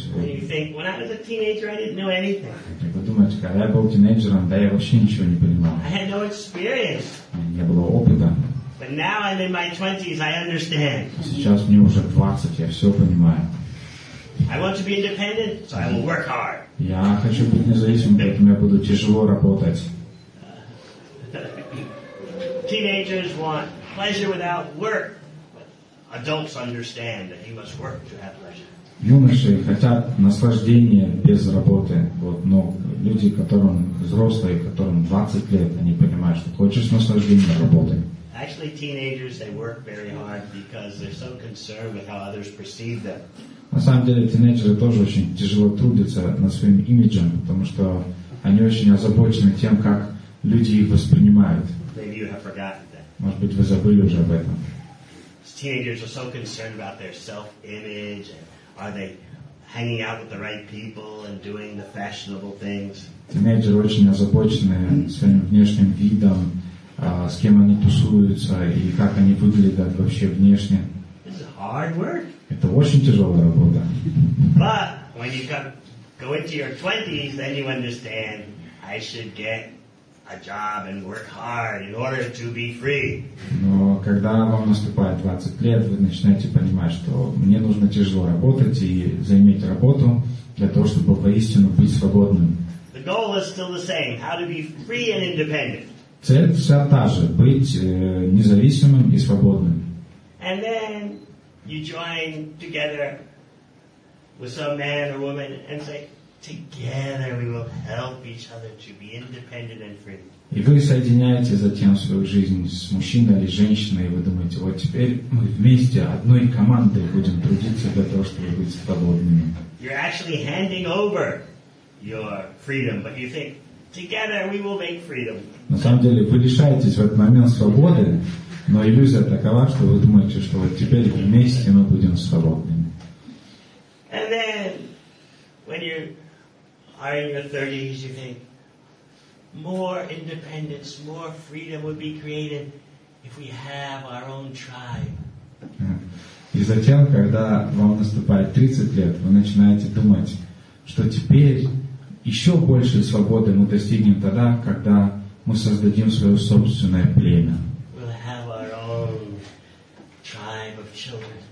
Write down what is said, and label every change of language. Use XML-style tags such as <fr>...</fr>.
<ru>Вы думаете, когда я был тинейджером, да я вообще ничего не понимал.</ru> <en>I had no experience.</en> <ru>Не было опыта.</ru> <en>But now I'm in my 20s, I understand.</en> <ru>Сейчас мне уже 20, я все понимаю.</ru> <en>I want to be independent, so I will work hard.</en> <ru>Я хочу быть независимым, поэтому я буду тяжело работать.</ru> <en>Teenagers want pleasure without work. Adults understand that he must work to have pleasure.</en> <ru>Юноши хотят наслаждения без работы. Вот, но люди, которым взрослые, которым 20 лет, они понимают, что хочешь наслаждения, работай.</ru> <en>Actually, teenagers, they work very hard because they're so concerned with how others perceive them.</en> <ru>На самом деле, тинейджеры тоже очень тяжело трудятся над своим имиджем, потому что они очень озабочены тем, как люди их воспринимают.</ru> <en>Maybe you have forgotten that.</en> <ru>Может быть, вы забыли уже об этом.</ru> <en>Teenagers are so concerned about their self-image and are they hanging out with the right people and doing the fashionable things.</en> <ru>Teenagers очень озабочены своим внешним видом, с кем они тусуются и как они выглядят вообще внешне.</ru> <en>This is hard work.</en> <ru>Это очень тяжелая работа.</ru> <en>But when you go into your 20s, then you understand I should get a job and work hard in order to be free.</en> <ru>Но когда вам наступает 20 лет, вы начинаете понимать, что мне нужно тяжело работать и заиметь работу для того, чтобы поистину быть свободным.</ru> <en>The goal is still the same: how to be free and independent.</en> <ru>Цель вся та же: быть независимым и свободным.</ru> <en>And then you join together with some man or woman and say, together we will help each other to be independent and free.</en> <ru>И вы соединяете затем свою жизнь с мужчиной или женщиной, и вы думаете, вот теперь мы вместе одной командой будем трудиться для того, чтобы быть свободными.</ru> <en>You're actually handing over your freedom, but you think, together we will make freedom.</en> <ru>На самом деле, вы лишаетесь в этот момент свободы, но иллюзия такова, что вы думаете, что вот теперь вместе мы будем свободными.</ru> <en>And then when you are in your 30s, you think more independence, more freedom would be created if we have our own tribe.</en> <ru>И затем, когда вам наступает 30 лет, вы начинаете думать, что теперь еще больше свободы мы достигнем тогда, когда мы создадим свое собственное племя.</ru> <en>We'll have our own tribe of children.</en>